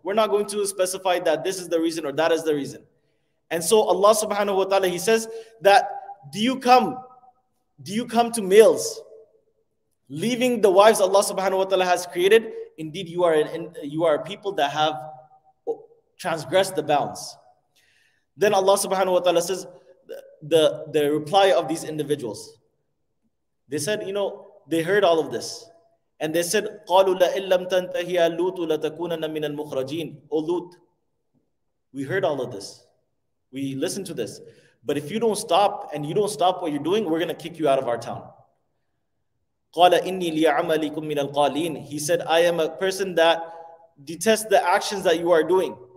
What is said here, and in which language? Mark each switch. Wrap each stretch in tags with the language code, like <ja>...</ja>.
<en>We're not going to specify that this is the reason or that is the reason. And so Allah subhanahu wa ta'ala, he says that, do you come to males, leaving the wives Allah subhanahu wa ta'ala has created? Indeed, you are a people that have transgressed the bounds. Then Allah subhanahu wa ta'ala says, the reply of these individuals, they said, you know, they heard all of this. And they said,</en> <ar>قَالُوا لَإِن لَمْ تَنْتَهِيَا لُوتُ لَتَكُونَنَّ مِنَ الْمُخْرَجِينَ.</ar> <en>Oh Lut, we heard all of this. We listened to this. But if you don't stop and you don't stop what you're doing, we're going to kick you out of our town.</en> <ar>قَالَ إِنِّي لِيَعْمَلِكُمْ مِنَ الْقَالِينَ.</ar> <en>He said, I am a person that detests the actions that you are doing.</en>